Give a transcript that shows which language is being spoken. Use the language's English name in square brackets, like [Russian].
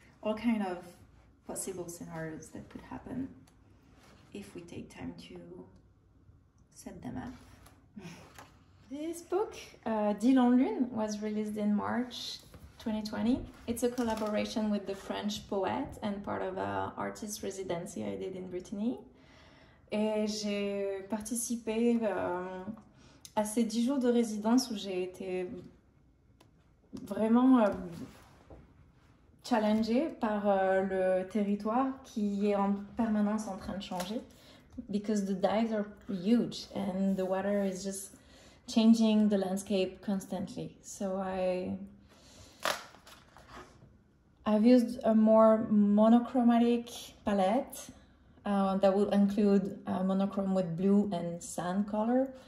[English] all kind of possible scenarios that could happen if we take time to set them up. This book, Dis en Lune, was released in March 2020. It's a collaboration with the French poet and part of an artist residency I did in Brittany. [French] Et j'ai participé à ces 10 jours de résidence où j'ai été vraiment challengée par le territoire qui est en permanence en train de changer. [English] Because the dikes are huge and the water is just changing the landscape constantly. So I've used a more monochromatic palette that will include a monochrome with blue and sand color.